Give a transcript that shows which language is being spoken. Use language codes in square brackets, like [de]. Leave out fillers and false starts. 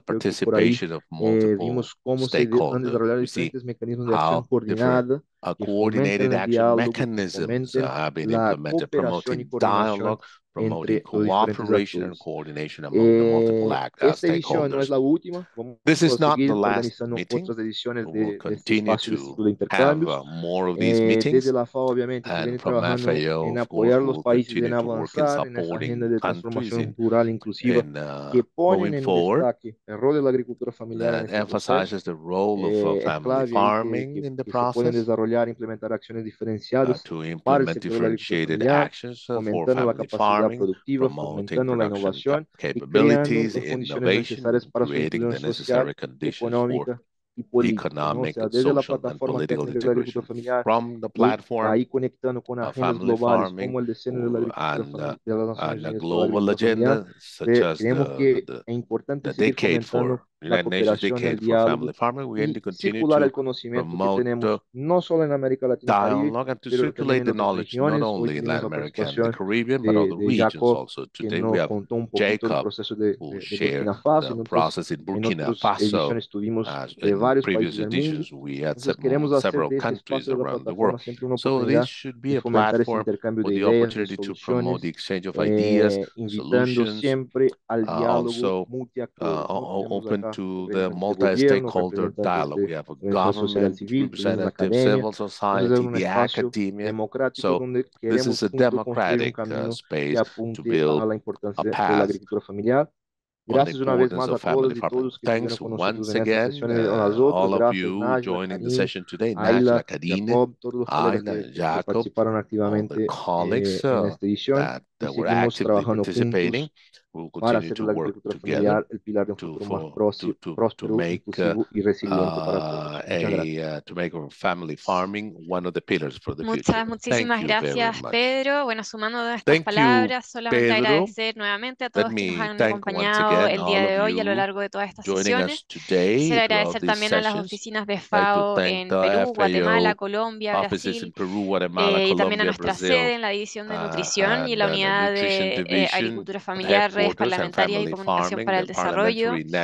[es] Creo que por ahí vimos cómo se han desarrollado diferentes mecanismos de acción coordinada. [en] A coordinated action mechanism have been implemented, promoting dialogue, promoting cooperation and coordination among the multiple stakeholders. This is not the last meeting. We will continue to have more of these meetings. And from FAO, of course, we will continue to work in supporting countries in going forward that emphasizes the role of family farming in the process. [es] Implementar acciones diferenciadas para el sector de la agricultura familiar, aumentando la capacidad productiva, aumentando la innovación y creando las condiciones necesarias para su inclusión social, económica y política, ¿no? O sea, desde la plataforma de la agricultura familiar, ahí conectando con agendas globales como el diseño de la agricultura familiar, creemos que es importante seguir fomentando la cooperación y el diálogo y circular el conocimiento que tenemos no solo en América Latina, pero también en otras regiones. Hoy tenemos la participación de Jacob, que nos contó un poquito del proceso de Burkina Faso. En otras ediciones tuvimos de varios países del mundo. Entonces queremos hacer de este espacio de la plataforma siempre una oportunidad de fomentar ese intercambio de ideas y soluciones, invitando siempre al diálogo multiactor [en] que to the multi-stakeholder dialogue. We have a government, representative, civil society, the academia. So this is a democratic space to build a path on the importance of family farming. Thanks once again, all of you joining the session today, Najla, Karine, Aina, Jacob, all the colleagues that were actively participating. [es] Para hacer la agricultura familiar el pilar de un futuro más próspero, inclusivo y resiliente para todos. Muchas gracias. [en] Family farming one of the pillars for the future. [es] Muchísimas gracias, Pedro. Bueno, sumando a estas palabras, solamente agradecer nuevamente a todos que nos han acompañado el día de hoy a lo largo de todas estas sesiones. Quisiera agradecer también a las oficinas de FAO en Perú, Guatemala, Colombia, Brasil, y también a nuestra sede en la División de Nutrición y la Unidad de Agricultura Familiar, Redes Parlamentarias y Comunicación para el Desarrollo.